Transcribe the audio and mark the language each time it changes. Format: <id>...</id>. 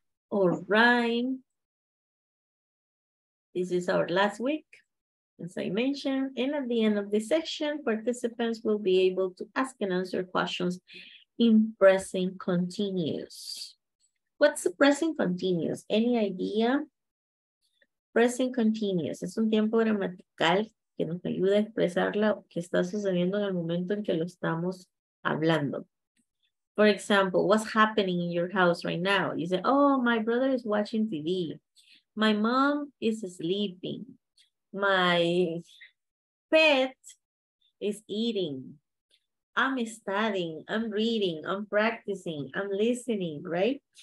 <en>All right. This is our last week, as I mentioned, and at the end of this session, participants will be able to ask and answer questions in present continuous. What's the present continuous? Any idea?</en> <es>Present continuous es un tiempo gramatical que nos ayuda a expresar lo que está sucediendo en el momento en que lo estamos hablando.</es> <en>For example, what's happening in your house right now? You say, oh, my brother is watching TV. My mom is sleeping. My pet is eating. I'm studying, I'm reading, I'm practicing, I'm listening, right?</en>